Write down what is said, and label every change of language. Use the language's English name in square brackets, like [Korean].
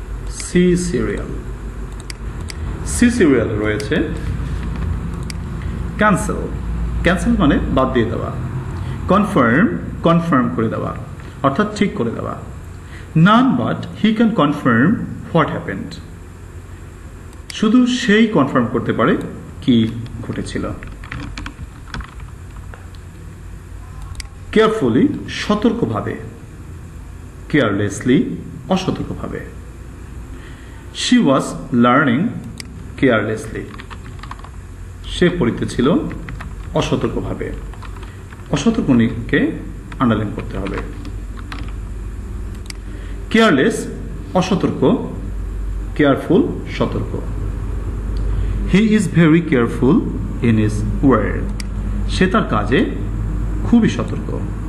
[Bangla] C serial, C সিরিয়ালে রয়েছে cancel. Cancel মানে বাদ দিয়ে দেওয়া. কনফার্ম, কনফার্ম করে দেওয়া, অর্থাৎ ঠিক করে দেওয়া. [English] None but he can confirm what happened. [Bangla] শুধু সেই কনফার্ম করতে পারে কি ঘটেছিল. কেয়ারফুলি, সতর্কভাবে. Carelessly, অসতর্কভাবে. [English] She was learning carelessly. [Bangla] Say পড়িতেছিল অসতর্কভাবে. অসতর্কনিককে underline করতে হবে. কেয়ারলেস, অসতর্ক. কেয়ারফুল, সতর্ক. [English] He is very careful in his work. [Bangla] সে তার কাজে খুবই সতর্ক.